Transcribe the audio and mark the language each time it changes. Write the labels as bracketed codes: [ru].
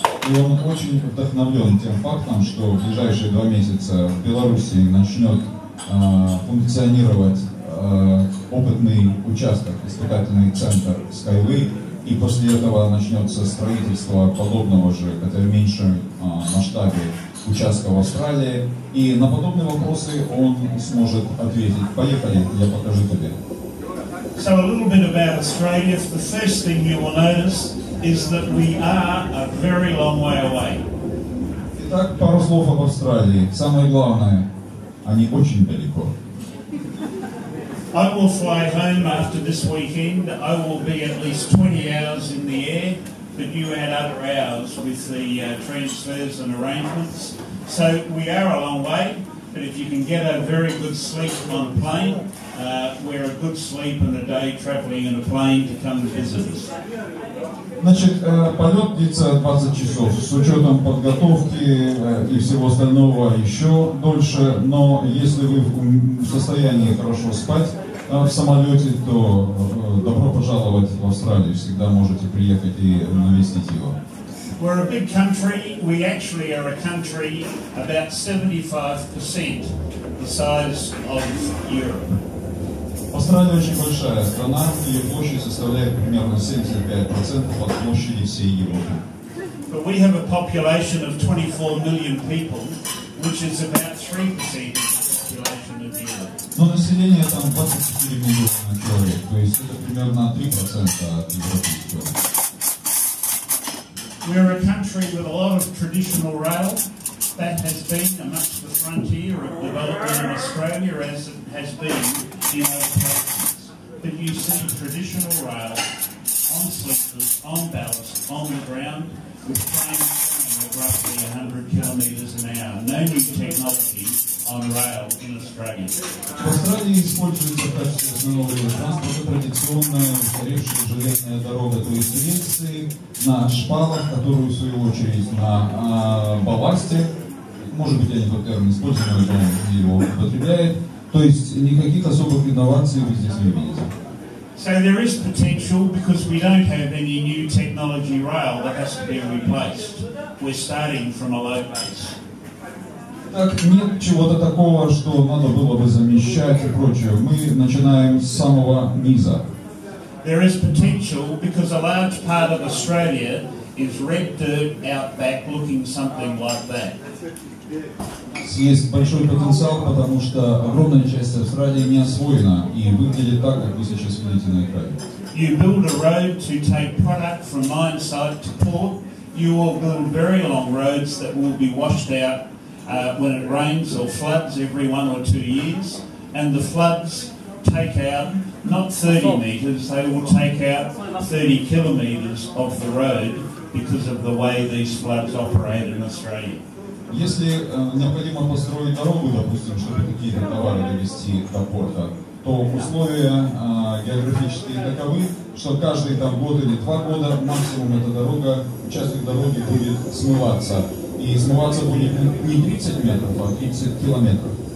[ru] И он очень вдохновлен тем фактом, что в ближайшие 2 месяца в Белоруссии начнет функционировать опытный участок, испытательный центр Skyway, и после этого начнется строительство подобного же, хотя в меньшем масштабе, участка в Австралии. И на подобные вопросы он сможет ответить. Поехали, я покажу тебе. [en] So a little bit about Australia. The first thing you will notice is that we are a very long way away. [ru] Итак, пару слов об Австралии. Самое главное, они очень далеко. [en] I will fly home after this weekend. I will be at least 20 hours in the air, but you add other hours with the transfers and arrangements. So we are a long way. But if you can get a very good sleep on a plane, we're a good sleep and a day traveling in a plane to come visit us. [ru] Значит, полет длится 20 часов, с учетом подготовки и всего остального еще дольше, но если вы в состоянии хорошо спать в самолете, то добро пожаловать в Австралию, всегда можете приехать и навестить его. [en] We're a big country, we actually are a country about 75% the size of Europe. [ru] Австралия очень большая страна, ее площадь составляет примерно 75% от площади всей Европы. [en] But we have a population of 24 million people, which is about 3% of the population of Europe. [ru] Но население там 24 миллиона человек, то есть это примерно 3% от европейского. [en] We are a country with a lot of traditional rail. That has been amongst the frontier of development in Australia, as it has been in other places. But you see traditional rail on sleepers, on ballast, on the ground, with trains running at roughly 100 kilometres an hour. No new technology on rail in Australia. [ru] В Австралии используется в качестве основного транспорта традиционная устаревшая железная дорога, то есть рельсы на шпалах, которые в свою очередь на балласте. Может быть, я не тот термин использую, но он его употребляет. То есть никаких особых инноваций вы здесь не видите. [en] So there is potential because we don't have any new technology rail that has to be replaced. We're starting from a low base. [ru] Так, нет чего-то такого, что надо было бы замещать и прочее. Мы начинаем с самого низа. [en] There is potential because a large part of Australia is red dirt out back looking something like that. [ru] Есть большой потенциал, потому что огромная часть Австралии не освоена и выглядит так, как вы сейчас видите на экране. [en] You build a road to take product from mine site to port. You will build very long roads that will be washed out when it rains or floods every 1 or 2 years. And the floods take out not 30 meters, they will take out 30 kilometers of the road because of the way these floods operate in Australia. [ru] Если необходимо построить дорогу, допустим, чтобы какие-то товары довести до порта, то условия географические таковы, что каждые там год или 2 года максимум эта дорога, участок дороги будет смываться. И смываться будет не 30 метров, а 30 километров.